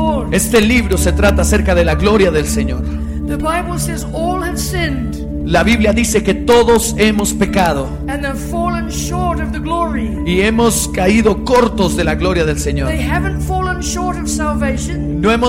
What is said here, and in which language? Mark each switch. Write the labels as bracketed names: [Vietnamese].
[Spanish] Este libro se trata acerca de la gloria del Señor. [English] The Bible says all have sinned. [Spanish] La Biblia dice que todos hemos pecado. [English] And they've fallen short of the glory. [Spanish] Y hemos caído cortos de la gloria del Señor. [English] They haven't fallen short of salvation.